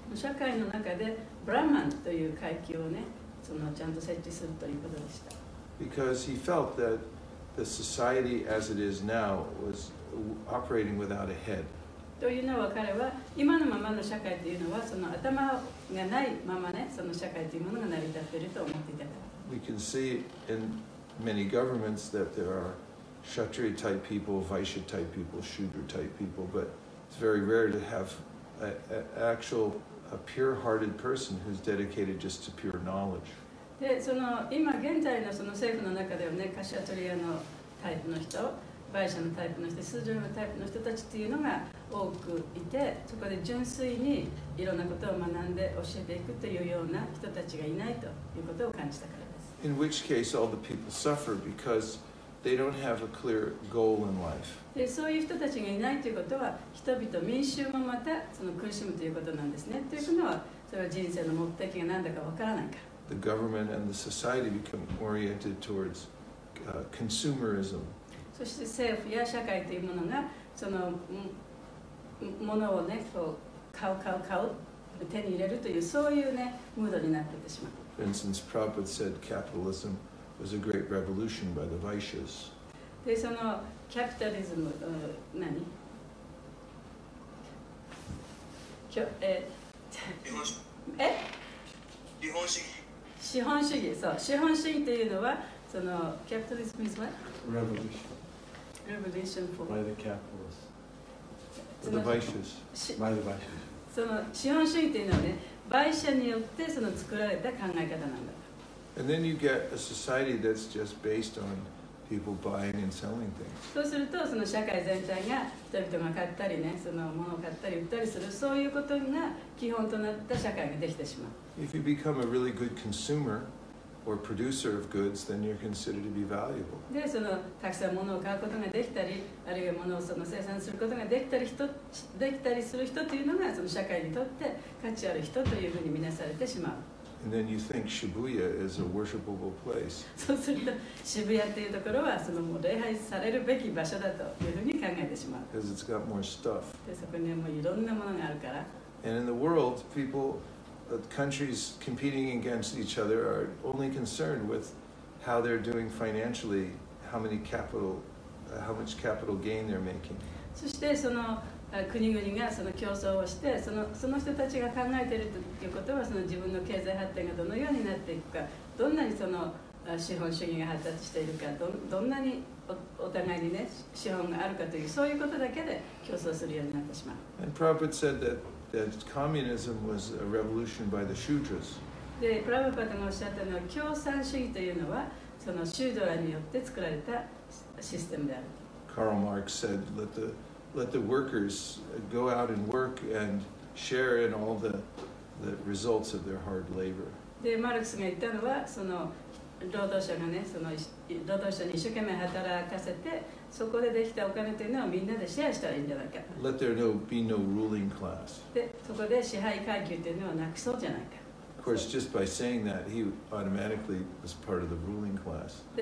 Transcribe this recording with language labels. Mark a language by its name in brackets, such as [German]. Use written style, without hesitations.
[Japanese] 社会の中で Brahman という階級をね、そのちゃんと設置するということでした。 [English] Because he felt that the society as it is now was operating without a head. [Japanese] というのは彼は今のままの社会というのはその頭がないままね、その社会というものが成り立っていると思っていたから。 [English] We can see inMany governments that there are Kshatriya type people, Vaishya type people, Shudra type people, but it's very rare to have a pure hearted person who's dedicated just to pure knowledge. [Japanese] で、その今現在のその政府の中ではね、カシャトリアのタイプの人、バイシャのタイプの人、スージュのタイプの人たちっていうのが多くいて、そこで純粋にいろんなことを学んで教えていくというような人たちがいないということを感じたから。 [English] In which case all the people suffer because they don't have a clear goal in life. [Japanese] で、そういう人たちがいないということは、人々、民衆もまたその苦しむということなんですね。というのは、それは人生の目的が何だかわからないから。 [English] The government and the society become oriented towards consumerism. [Japanese] そして政府や社会というものが、そのものをね、こう買う、手に入れるという、そういうね、ムードになっていってしまう。 [English] For instance, Prabhupada said capitalism was a great revolution by the Vaishyas. [Japanese] で、そのキャピタリズム、何？きょ、え、資本主義。え？資本主義、そう。資本主義というのは、その、キャピタリズム [English] is what? Revolution for? By the capitalists. For the Vaishyas. By the Vaishyas. [Japanese] その資本主義というのはね、売者によってその作られた考え方なんだ。 [English] And then you get a society that's just based on people buying and selling things. [Japanese] そうするとその社会全体が人々が買ったりね、その物を買ったり売ったりするそういうことが基本となった社会ができてしまう。 [English] If you become a really good consumer or producer of goods, then you're considered to be valuable. [Japanese] でそのたくさん物を買うことができたり、あるいは物をその生産することができたり人できたりする人というのがその社会にとって価値ある人というふうに見なされてしまう。 [English] And then you think Shibuya is a worshipable place. [Japanese] そうすると渋谷というところはそのもう礼拝されるべき場所だというふうに考えてしまう。 [English] Because it's got more stuff. [Japanese] でそこにはもういろんなものがあるから。 [English] And in the world, people. The countries competing against each other are only concerned with how they're doing financially, how much capital gain they're making. [Japanese] そしてその国々がその競争をして、その人たちが考えているということは、その自分の経済発展がどのようになっていくか、どんなにその資本主義が発達しているか、どんなにお互いにね資本があるかという、そういうことだけで競争するようになってしまう。 [English] And Prabhupada said thatThat communism was a revolution by the Shudras. [Japanese] で、プラヴァパダがおっしゃったのは、共産主義というのは、そのシュドラによって作られたシステムである。 [English] Karl Marx said, let the workers go out and work and share in all the results of their hard labor. [Japanese] で、マルクスが言ったのは、その労働者がね、その労働者に一生懸命働かせて、そこでできたお金というのをみんなでシェアしたらいいんじゃないか。 [English] Let there be no ruling class. [Japanese] で、そこで支配階級というのをなくそうじゃないか。 [English] Of course, just by saying that, he automatically was part of the ruling class.